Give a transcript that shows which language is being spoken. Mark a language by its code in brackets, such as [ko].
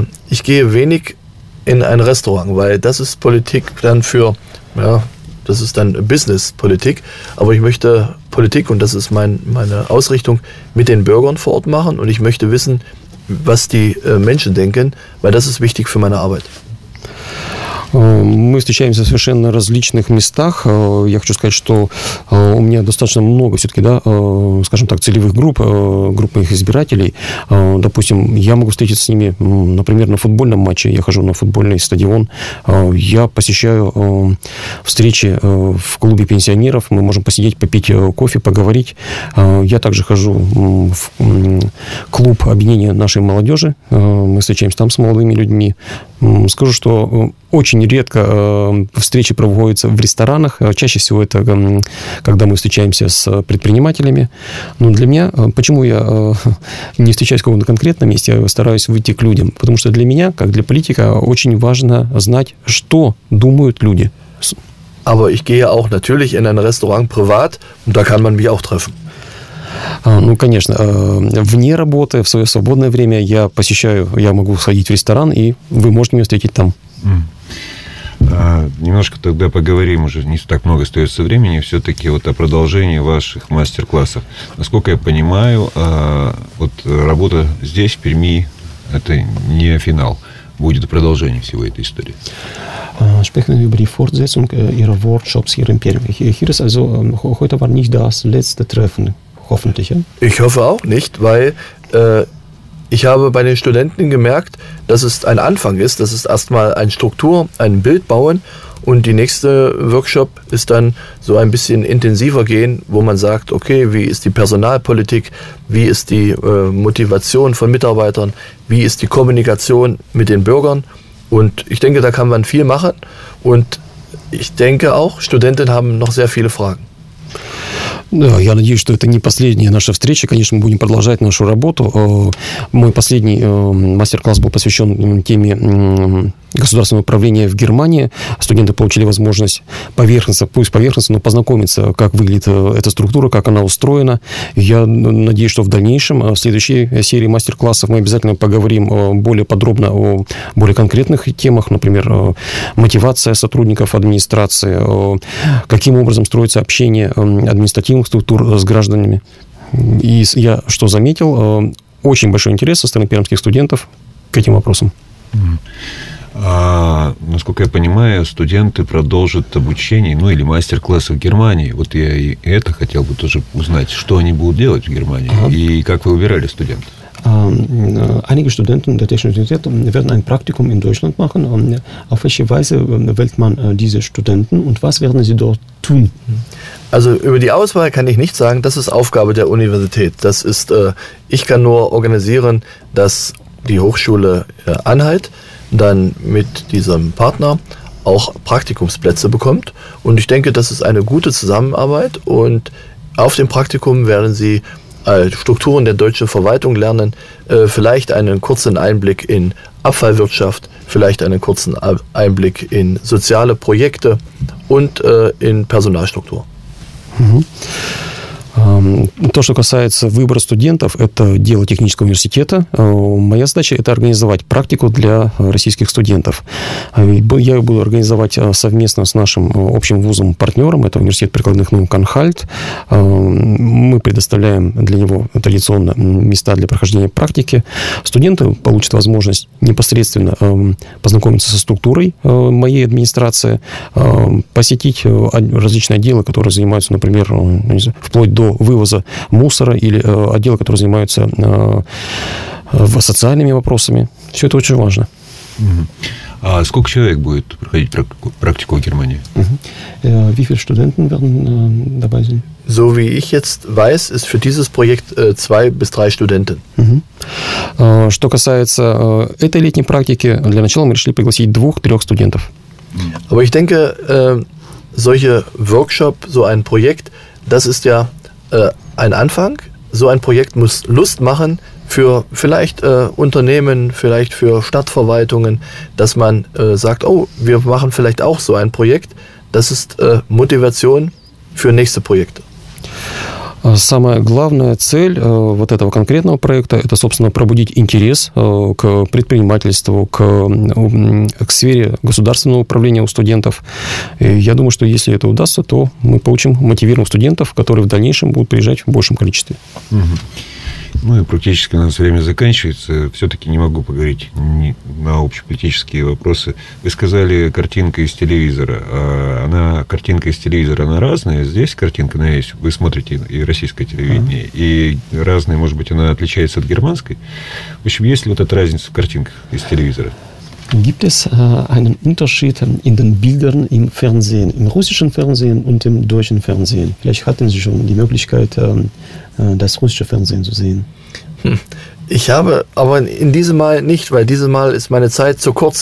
[de] Ich gehe wenig in ein Restaurant, weil das ist Politik dann für, ja, das ist dann Business-Politik. Aber ich möchte Politik, und das ist meine Ausrichtung, mit den Bürgern vor Ort machen. Und ich möchte wissen, was die Menschen denken, weil das ist wichtig für meine Arbeit. [ru] Мы встречаемся в совершенно различных местах. Я хочу сказать, что у меня достаточно много все-таки, да, скажем так, целевых групп, групп моих избирателей. Допустим, я могу встретиться с ними, например, на футбольном матче. Я хожу на футбольный стадион. Я посещаю встречи в клубе пенсионеров. Мы можем посидеть, попить кофе, поговорить. Я также хожу в клуб объединения нашей молодежи. Мы встречаемся там с молодыми людьми. Скажу, что очень редко встречи проводятся в ресторанах. Чаще всего это, когда мы встречаемся с предпринимателями. Но для меня, почему я не встречаюсь в каком-то конкретном месте, я стараюсь выйти к людям? Потому что для меня, как для политика, очень важно знать, что думают люди. [de] Aber ich gehe auch natürlich in ein Restaurant privat, und da kann man mich auch treffen. [ru] Ну, конечно, вне работы, в свое свободное время я посещаю, я могу сходить в ресторан, и вы можете меня встретить там. Немножко тогда поговорим, уже не так много остается времени, все-таки вот о продолжении ваших мастер-классов. Насколько я понимаю, вот работа здесь, в Перми, это не финал. Будет продолжение всего этой истории. [de] Sprechen wir über die Fortsetzung Ihrer Workshops hier in Perm. Hier ist also, heute war nicht das letzte Treffen. Hoffentlich, ja? Ich hoffe auch nicht, weil ich habe bei den Studenten gemerkt, dass es ein Anfang ist, das ist erstmal eine Struktur, ein Bild bauen, und die nächste Workshop ist dann so ein bisschen intensiver gehen, wo man sagt, okay, wie ist die Personalpolitik, wie ist die Motivation von Mitarbeitern, wie ist die Kommunikation mit den Bürgern, und ich denke, da kann man viel machen, und ich denke auch, Studenten haben noch sehr viele Fragen. [ru] Да, я надеюсь, что это не последняя наша встреча. Конечно, мы будем продолжать нашу работу. Мой последний мастер-класс был посвящен теме государственного управления в Германии. Студенты получили возможность поверхностно, пусть поверхностно, но познакомиться, как выглядит эта структура, как она устроена. Я надеюсь, что в дальнейшем, в следующей серии мастер-классов, мы обязательно поговорим более подробно о более конкретных темах, например, мотивация сотрудников администрации, каким образом строится общение административных структур с гражданами. И я что заметил, очень большой интерес со стороны пермских студентов к этим вопросам. Насколько я понимаю, студенты продолжат обучение, ну или мастер-классы в Германии. Вот я и это хотел бы тоже узнать, что они будут делать в Германии и как вы выбирали студентов. [de] Einige Studenten der Technischen Universität werden ein Praktikum in Deutschland machen. Auf welche Weise wählt man diese Studenten und was werden sie dort tun? Also über die Auswahl kann ich nicht sagen, das ist Aufgabe der Universität. Das ist, ich kann nur organisieren, dass die Hochschule Anhalt dann mit diesem Partner auch Praktikumsplätze bekommt. Und ich denke, das ist eine gute Zusammenarbeit, und auf dem Praktikum werden sie Strukturen der deutschen Verwaltung lernen, vielleicht einen kurzen Einblick in Abfallwirtschaft, vielleicht einen kurzen Einblick in soziale Projekte und in Personalstruktur. Mhm. [ru] То, что касается выбора студентов, это дело технического университета. Моя задача – это организовать практику для российских студентов. Я ее буду организовать совместно с нашим общим вузом-партнером, это университет прикладных наук Анхальт. Мы предоставляем для него традиционно места для прохождения практики. Студенты получат возможность непосредственно познакомиться со структурой моей администрации, посетить различные отделы, которые занимаются, например, вплоть до вывоза мусора или отдела, которые занимаются социальными вопросами. Все это очень важно. Uh-huh. А сколько человек будет проходить практику в Германии? Uh-huh. [de] Wie viele Studenten werden dabei sein? So wie ich jetzt weiß, ist für dieses Projekt 2-3 Studenten. [ru] Что касается этой летней практики, для начала мы решили пригласить 2-3 студентов. [de] Aber ich denke, solche Workshop, so ein Projekt, das ist ja ein Anfang. So ein Projekt muss Lust machen für vielleicht Unternehmen, vielleicht für Stadtverwaltungen, dass man sagt, oh, wir machen vielleicht auch so ein Projekt. Das ist Motivation für nächste Projekte. [ru] Самая главная цель вот этого конкретного проекта – это, собственно, пробудить интерес к предпринимательству, к сфере государственного управления у студентов. И я думаю, что если это удастся, то мы получим мотивируем студентов, которые в дальнейшем будут приезжать в большем количестве. Угу. Ну и практически у нас время заканчивается. Все-таки не могу поговорить на общеполитические вопросы. Вы сказали, картинка из телевизора. Картинка из телевизора, она разная. Здесь картинка, она есть. Вы смотрите и российское телевидение. Uh-huh. И разная, может быть, она отличается от германской. В общем, есть ли вот эта разница в картинках из телевизора? [de] Gibt es einen Unterschied in den Bildern im Fernsehen, im russischen Fernsehen und im deutschen Fernsehen? Vielleicht hatten Sie schon die Möglichkeit, das russische Fernsehen zu sehen. Ich habe aber in diesem Mal nicht, weil dieses Mal ist meine Zeit zu kurz.